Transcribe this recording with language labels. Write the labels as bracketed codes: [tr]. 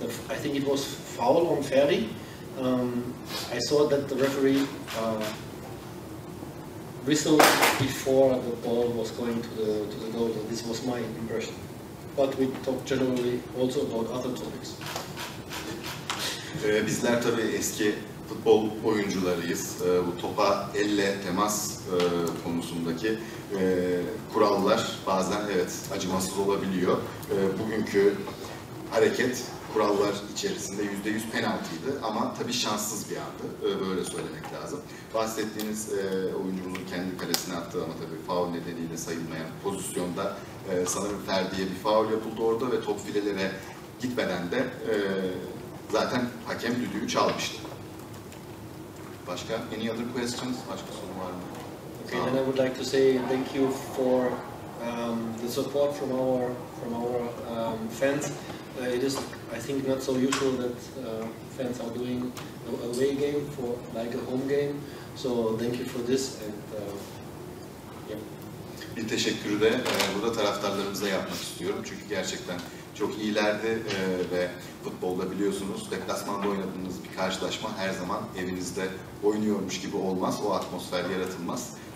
[en] I think it was foul on Ferry. I saw that the referee whistled before the ball was going to the goal. So this was my impression. But we talked generally also about other topics. [tr] Bizler tabii eski futbol oyuncularıyız. Bu topa elle temas konusundaki kurallar bazen evet acımasız olabiliyor. Bugünkü hareket kurallar içerisinde %100 penaltıydı ama tabii şanssız bir andı. Böyle söylemek lazım. Bahsettiğiniz oyuncumuzun kendi kalesine attığı ama tabii faul nedeniyle sayılmayan pozisyonda sanırım Ferdi'ye bir faul yapıldı orada ve top filelere gitmeden de zaten hakem düdüğü çalmıştı. Başka? [en] Any other questions? [tr] Başka soru var mı? [en] Okay, then I would like to say thank you for the support from our fans. It is, I think, not so usual that fans are doing an away game for like a home game. So thank you for this. And yeah. [tr] Bir teşekkürü de burada taraftarlarımıza yapmak istiyorum çünkü gerçekten çok iyilerdi ve futbolda biliyorsunuz deplasmanda oynadığınız bir karşılaşma her zaman evinizde oynuyormuş gibi olmaz, o atmosfer yaratılmaz.